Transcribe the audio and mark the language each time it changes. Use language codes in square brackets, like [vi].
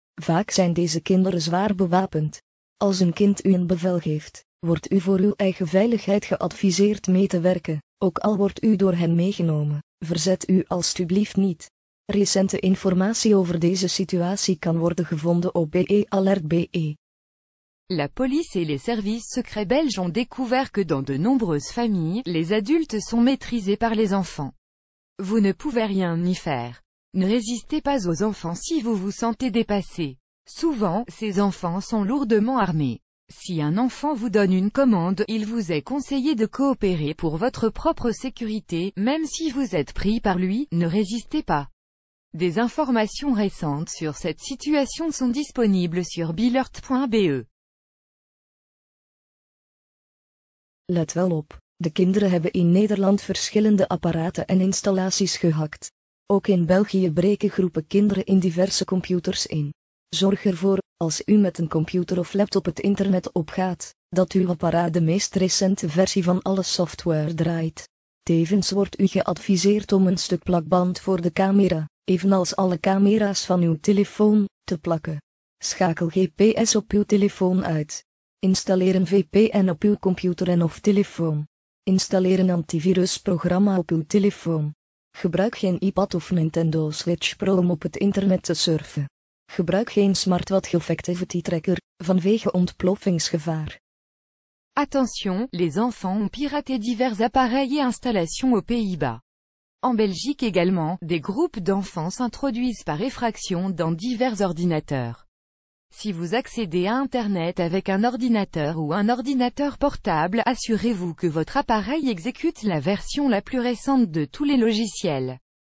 [nl] Vaak zijn deze kinderen zwaar bewapend. Als een kind u een bevel geeft, wordt u voor uw eigen veiligheid geadviseerd mee te werken, ook al wordt u door hen meegenomen, verzet u alstublieft niet. Recente informatie over deze situatie kan worden gevonden op bealert.be. [fr] La police et les services secrets belges ont découvert que dans de nombreuses familles, les adultes sont maîtrisés par les enfants. Vous ne pouvez rien y faire. Ne résistez pas aux enfants si vous vous sentez dépassé. Souvent, ces enfants sont lourdement armés. Si un enfant vous donne une commande, il vous est conseillé de coopérer pour votre propre sécurité, même si vous êtes pris par lui, ne résistez pas. Des informations récentes sur cette situation sont disponibles sur bealert.be. [nl] Let wel op, de kinderen hebben in Nederland verschillende apparaten en installaties gehackt. Ook in België breken groepen kinderen in diverse computers in. Zorg ervoor, als u met een computer of laptop het internet opgaat, dat uw apparaat de meest recente versie van alle software draait. Tevens wordt u geadviseerd om een stuk plakband voor de camera, evenals alle camera's van uw telefoon, te plakken. Schakel GPS op uw telefoon uit. Installeer een VPN op uw computer en of telefoon. Installeer een antivirusprogramma op uw telefoon. Gebruik geen iPad of Nintendo Switch Pro om op het internet te surfen. Gebruik geen smartwatch of activity tracker, vanwege ontploffingsgevaar. [fr] Attention, les enfants ont piraté divers appareils et installations aux Pays-Bas. En Belgique également, des groupes d'enfants s'introduisent par effraction dans divers ordinateurs. Si vous accédez à Internet avec un ordinateur ou un ordinateur portable, assurez-vous que votre appareil exécute la version la plus récente de tous les logiciels.